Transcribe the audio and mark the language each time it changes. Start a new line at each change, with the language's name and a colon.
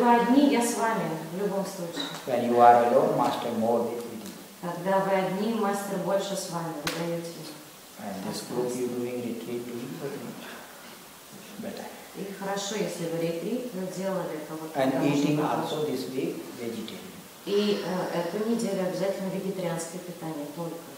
Russian: вы одни, я с вами в любом случае.
English: When you are alone, master more with you.
Russian: Когда вы одни, мастер больше с вами подаете.
English: And this group you doing retreat to me,
Russian: И хорошо, если вы ретрит, но делали это вот.
English: And eating also this week vegetarian.
Russian: И эту неделю обязательно вегетарианское питание только.